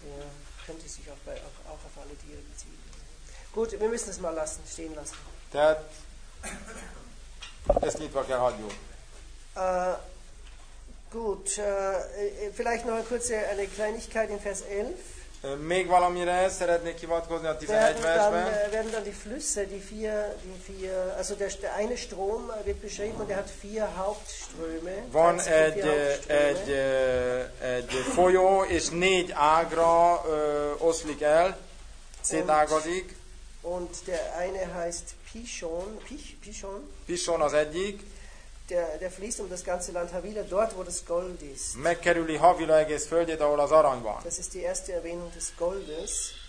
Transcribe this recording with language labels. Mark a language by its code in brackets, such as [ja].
[de] Ja, könnte sich auch, bei, auch, auf alle Tiere beziehen. Gut, wir müssen es mal lassen, stehen lassen. [hu] Tehát, ezt nyitva kell hagyjuk. [de] Gut, vielleicht noch eine kurze eine Kleinigkeit in Vers 11. [hu] Még valamire szeretnék hivatkozni a 11 versben. [de] Werden dann die Flüsse, die vier, also der eine Strom wird beschrieben und er hat vier Hauptströme. [hu] Van egy folyó és négy ágra oszlik el, szétágazik. [de] Und der eine heißt Pishon. [hu] Pishon az egyik. [de] Der fließt um das ganze Land Havila, dort wo das Gold ist. [hu] Megkerüli Havila egész földjét, ahol az arany van. [de] Das ist die erste Erwähnung des Goldes.